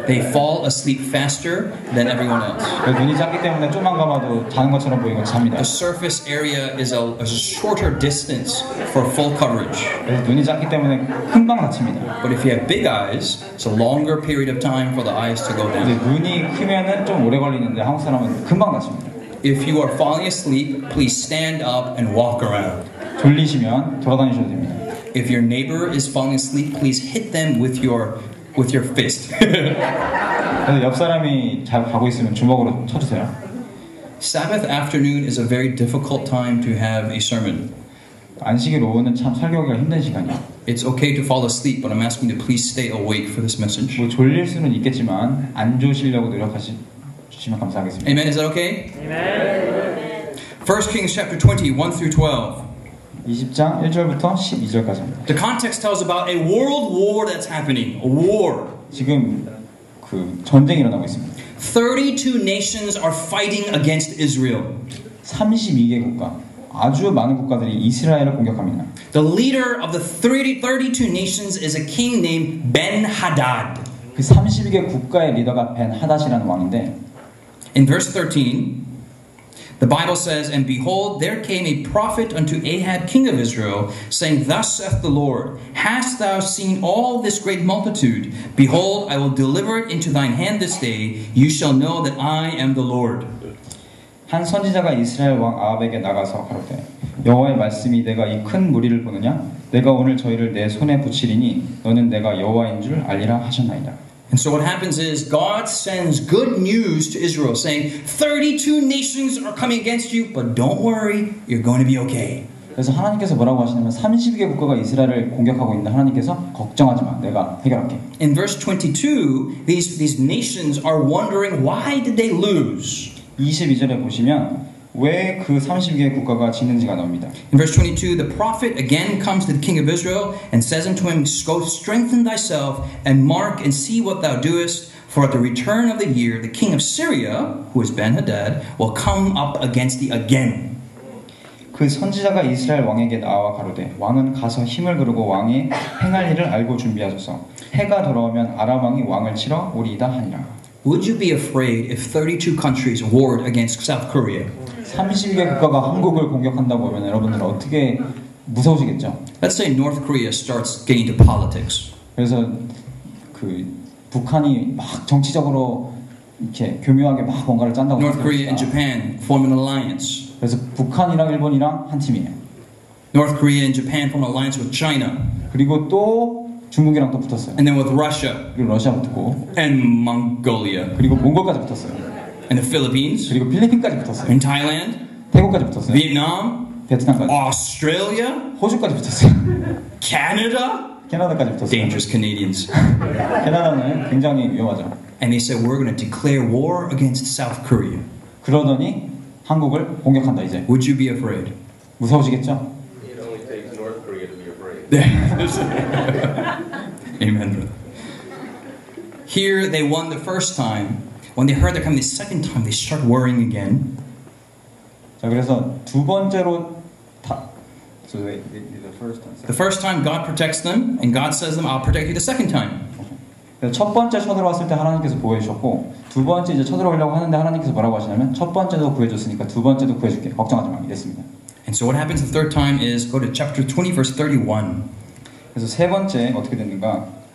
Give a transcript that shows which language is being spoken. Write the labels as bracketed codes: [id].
[en] They fall asleep faster than everyone else. [ko] 눈이 작기 때문에 조금만 감아도 자는 것처럼 보이고 잡니다. [en] The surface area is a shorter distance for full coverage. [ko] 눈이 작기 때문에 금방 낮습니다. [en] But if you have big eyes, it's a longer period of time for the eyes to go down. [ko] 눈이 크면은 좀 오래 걸리는데 한국 사람은 금방 낮습니다. [en] If you are falling asleep, please stand up and walk around. [ko] 졸리시면 돌아다니셔도 됩니다. [en] If your neighbor is falling asleep, please hit them with your fist. [ko] 옆 사람이 잘 자고 있으면 주먹으로 쳐주세요. [en] Sabbath afternoon is a very difficult time to have a sermon. [ko] 안식일 오후는 참 설교하기가 힘든 시간이야. [en] It's okay to fall asleep, but I'm asking you to please stay awake for this message. [ko] 뭐 졸릴 수는 있겠지만 안 졸리려고 노력하시면 감사하겠습니다. [en] Amen. Is that okay? Amen. 1 Kings chapter 20, 1 through 12. [ko] 20장 1절부터 12절까지입니다. [en] The context tells about a world war that's happening. A war. [ko] 지금 그 전쟁이 일어나고 있습니다. [en] 32 nations are fighting against Israel. [ko] 32개 국가. 아주 많은 국가들이 이스라엘을 공격합니다. [en] The leader of the 32 nations is a king named Ben-Hadad. [ko] 그 32개 국가의 리더가 벤하닷이라는 왕인데 [en] In verse 13 The Bible says, And behold, there came a prophet unto Ahab, king of Israel, saying, Thus saith the Lord, Hast thou seen all this great multitude? Behold, I will deliver it into thine hand this day. You shall know that I am the Lord. [ko] 한 선지자가 이스라엘 왕 아합에게 나가서 가로되 여호와의 말씀이 내가 이 큰 무리를 보느냐? 내가 오늘 저희를 내 손에 붙이리니 너는 내가 여호와인 줄 알리라 하셨나이다. [en] And so what happens is God sends good news to Israel saying 32 nations are coming against you but don't worry you're going to be okay. [ko] 그래서 하나님께서 뭐라고 하시냐면 32개 국가가 이스라엘을 공격하고 있는데 하나님께서 걱정하지 마. 내가 해결할게. [en] In verse 22 these nations are wondering why did they lose? [ko] 22절에 보시면 왜 그 32개 국가가 지는지가 나옵니다. [en] In verse 22, the prophet again comes to the king of Israel and says unto him, Go strengthen thyself and mark and see what thou doest, for at the return of the year, the king of Syria, who is Ben-Hadad, will come up against thee again. [ko] 그 선지자가 이스라엘 왕에게 나와 가로되 왕은 가서 힘을 그르고 왕이 행할 일을 알고 준비하소서. 해가 돌아오면 아람 왕이 왕을 치러 오리이다 하니라. [en] Would you be afraid if 32 countries warred against South Korea? [ko] 32개 국가가 한국을 공격한다고 하면 여러분들은 어떻게 무서우시겠죠? [en] Let's say North Korea starts getting into politics. [ko] 그래서 그 북한이 막 정치적으로 이렇게 교묘하게 막 뭔가를 짠다고 [en] North Korea and Japan form an alliance. [ko] 그래서 북한이랑 일본이랑 한 팀이에요. [en] North Korea and Japan form an alliance with China. [ko] 그리고 또 중국이랑 또 붙었어요. [en] And then with Russia. [ko] 그리고 러시아 붙고 [en] and Mongolia. [ko] 그리고 몽골까지 붙었어요. [en] And the Philippines. [ko] 그리고 필리핀까지 붙었어요. [en] And Thailand. [ko] 태국까지 붙었어요. [en] Vietnam. [ko] 베트남까지. [en] Australia. [ko] 호주까지 붙었어요. [en] Canada. [ko] 캐나다까지 붙었어요. [en] Dangerous Canadians. [ko] 캐나다는 굉장히 위험하죠. [en] And they said we're going to declare war against South Korea. [ko] 그러더니 한국을 공격한다 이제. [en] Would you be afraid? [ko] 무서우시겠죠? [en] It only takes North Korea to be afraid. Amen. Here they won the first time. When they heard they're coming the second time, they start worrying again. [ko] 자 그래서 두 번째로 [en] The first time God protects them, and God says them, I'll protect you the second time. [ko] 첫 번째 쳐들어왔을 때 하나님께서 보호해주셨고 두 번째 이제 쳐들어오려고 하는데 하나님께서 뭐라고 하시냐면 첫 번째도 구해줬으니까 두 번째도 구해줄게 걱정하지 마 이랬습니다. [en] And so what happens the third time is, go to chapter 20, verse 31. [ko] 그래서 세 번째 어떻게 됐는가?